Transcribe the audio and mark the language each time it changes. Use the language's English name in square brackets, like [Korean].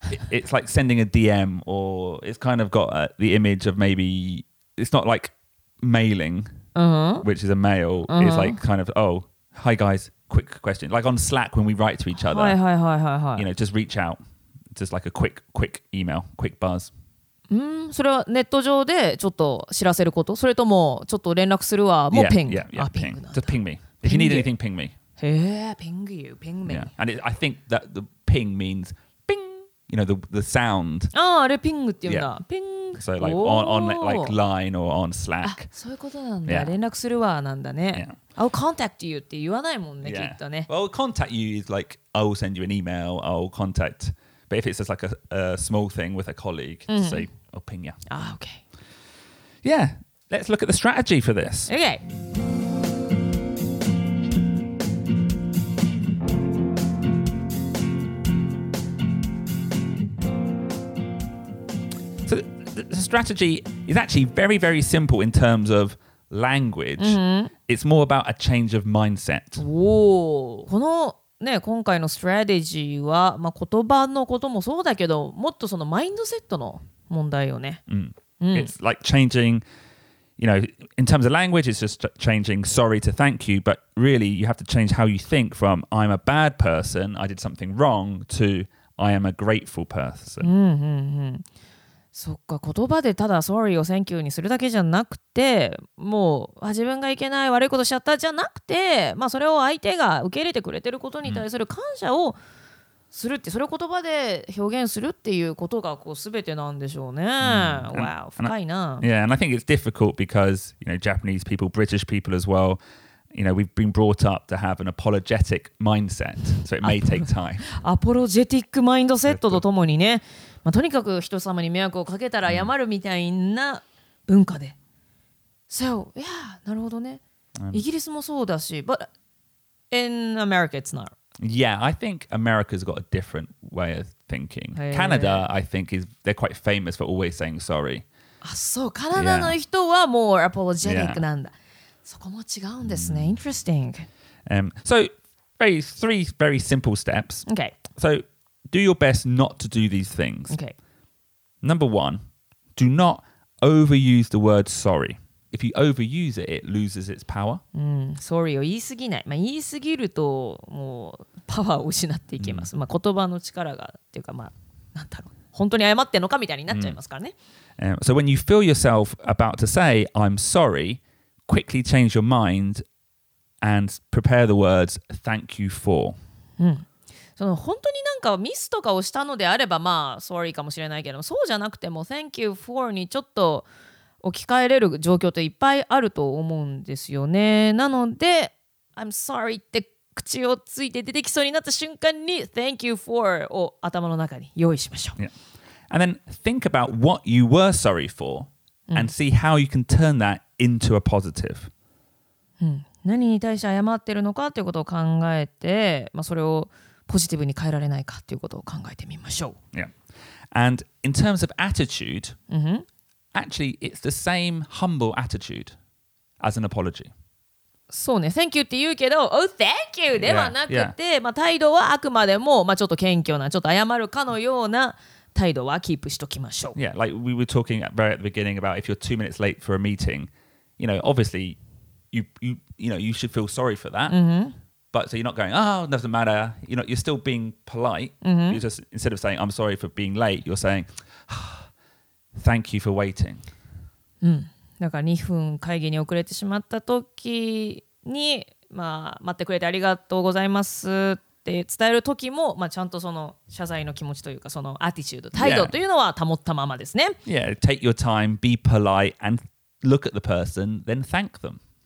[English] it's like sending a DM or it's kind of got the image of maybe... It's not like mailing,、 uh-huh. which is a mail.、Uh-huh. It's like kind of, oh, hi guys, quick question. Like on Slack when we write to each other. Hi, hi, hi, hi, hi. You know, just reach out. Just like a quick, quick email, quick buzz. [Japanese] Mm, それはネット上でちょっと知らせること?それともちょっと連絡するわ? もう [English] yeah, ping. Yeah, yeah, ping. Just ping me. If you need anything, ping me. Yeah, ping you, ping me. Yeah. And I think that the ping means... You know, the sound. [Japanese] Ah, あれ ping って言うんだ。ping. [English] So like on like line or on Slack. [Japanese] あ、そういうことなんだ。連絡するわなんだね。 [English] I'll contact you [Japanese] って言わないもんね、きっとね。 [English] Well, contact you is like, I'll send you an email, I'll contact. But if it's just like a small thing with a colleague, say, I'll ping you. Ah, okay. Yeah, let's look at the strategy for this. Okay. The strategy is actually very, very simple in terms of language.、 Mm-hmm. It's more about a change of mindset. [Japanese] Oh, このね今回のストラテジーはまあ言葉のこともそうだけど、もっとそのマインドセットの問題よね。 [English] It's like changing, you know, in terms of language, it's just changing sorry to thank you. But really, you have to change how you think from I'm a bad person, I did something wrong, to I am a grateful person. Mm-hmm. [Japanese] そっか、言葉でただ sorry を thank you にするだけじゃなくて、もう自分がいけない悪いことしちゃったじゃなくて、まあそれを相手が受け入れてくれてることに対する感謝をするって、それを言葉で表現するっていうことがこう全てなんでしょうね。 Wow, 深いな。 [English] Yeah, and I think it's difficult because, you know, Japanese people, British people as well, you know, we've been brought up to have an apologetic mindset, so it may take time. Apologetic mindset [Japanese] とともにね、まあ、とにかく人様に迷惑をかけたら謝るみたいな文化で。 [English] So, yeah, [Japanese] なるほどね。イギリスもそうだし、 [English] But in America it's not. Yeah, I think America's got a different way of thinking. Canada, I think, is they're quite famous for always saying sorry. [Japanese] あ、そう、カナダの人は [English] more apologetic [Japanese] なんだ。そこも違うんですね。 [English] Interesting. So, three very simple steps. Okay. So,Do your best not to do these things. Okay. Number one, do not overuse the word sorry. If you overuse it, it loses its power. [Japanese] Sorry を言いすぎない。まあ、言いすぎるともうパワーを失っていきます。まあ、言葉の力がっていうか、まあ、なんだろう。本当に謝ってんのかみたいになっちゃいますからね。 [English] So when you feel yourself about to say, I'm sorry, quickly change your mind and prepare the words, thank you for. [Japanese] その本当になんかミスとかをしたのであればまあ sorry かもしれないけどそうじゃなくても [English] thank you for [Japanese] にちょっと置き換えれる状況っていっぱいあると思うんですよね。なので [English] I'm sorry [Japanese] って口をついて出てきそうになった瞬間に [English] thank you for [Japanese] を頭の中に用意しましょう。 [English] Yeah. And then think about what you were sorry for and see how you can turn that into a positive. [Japanese] 何に対して謝ってるのかということを考えて、まあ、それをポジティブに変えられないかということを考えてみましょう。 [English] Yeah. And in terms of attitude,、mm-hmm. actually, it's the same humble attitude as an apology. [Japanese] そうね。Thank you って言うけど、 [English] Oh, thank you! [Japanese] ではなくて、 [English] yeah. [Japanese] まあ、態度はあくまでも、まあ、ちょっと謙虚な、ちょっと謝るかのような態度はキープしときましょう。 [English] Yeah, like we were talking right at the beginning about if you're 2 minutes late for a meeting, you know, obviously, you know, you should feel sorry for that.、 Mm-hmm. But so you're not going, oh, doesn't matter. You know, you're still being polite.、 Mm-hmm. You're just, instead of saying, I'm sorry for being late, you're saying, thank you for waiting.、 [Japanese] だから2分会議に遅れてしまった時に、まあ、待ってくれてありがとうございますって伝える時も、まあ、ちゃんとその謝罪の気持ちというか、そのアティチュード、態度というのは保ったままですね。 [English] Yeah, take your time, be polite, and look at the person, then thank them.